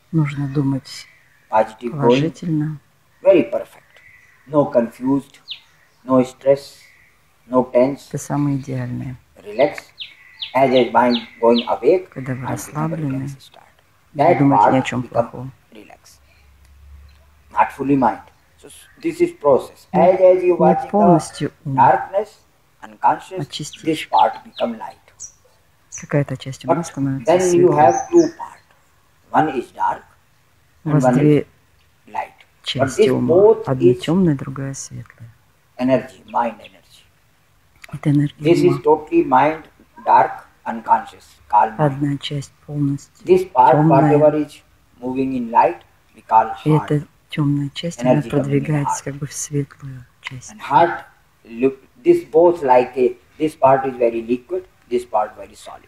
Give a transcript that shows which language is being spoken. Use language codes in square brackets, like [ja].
[ru] Нужно думать положительно. [en] Very perfect. No confused, no stress, no tense. [ru] Это самое идеальное. [en] Relax. As your mind going awake. [ru] Когда вы расслаблены, не думайте ни о чем плохом. [en] Relax. Not fully mind. So this is process. As you watch the darkness, unconscious, this part become light. [ru] Какая-то часть ума становится светлой. [en] Then you have two part. One is dark. [ru] У вас две части ума. Одна темная, другая светлая. [en] Energy, mind energy. [ru] Это энергия. [en] This is totally mind dark, unconscious, calm. [ru] Одна часть полностью. [en] This part, whatever is moving in light, we call heart. [ru] Эта темная часть, она продвигается как бы в светлую часть. [en] And heart, look, this both like a, this part is very liquid, this part very solid.